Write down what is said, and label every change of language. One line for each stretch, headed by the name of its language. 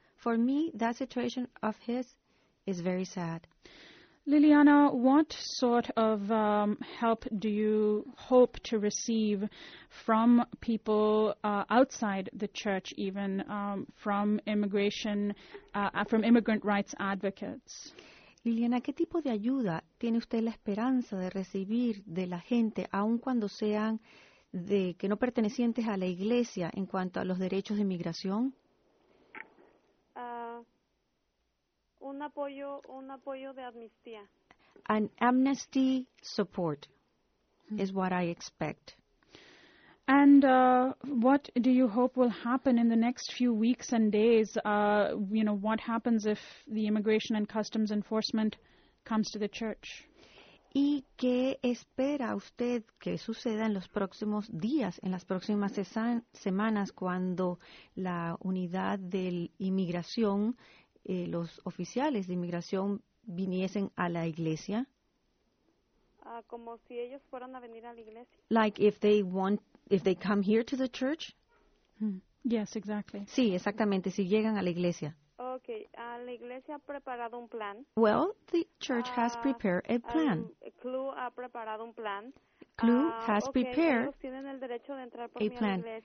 English: For me, that situation of his is very sad. Liliana, what sort of help do you hope to receive from people outside the church, even from immigrant rights advocates?
Spanish: Liliana, ¿qué tipo de ayuda tiene usted la esperanza de recibir de la gente, aun cuando sean de que no pertenecientes a la iglesia, en cuanto a los derechos de inmigración? Un apoyo de amnistía.
English: An amnesty support is what I expect. And what do you hope will happen in the next few weeks and days? You know, what happens if the Immigration and Customs Enforcement comes to the church?
Spanish: ¿Y qué espera usted que suceda en los próximos días, en las próximas semanas, cuando la unidad de inmigración, los oficiales de inmigración viniesen a la iglesia? Como si ellos fueran a venir a la iglesia.
English: Like if they come here to the church? Yes, exactly.
Spanish: Sí, exactamente, si llegan a la iglesia. Okay, la iglesia ha preparado un plan.
English: Well, the church has prepared a plan.
Spanish: CLU ha preparado un plan.
English: CLU has prepared a plan.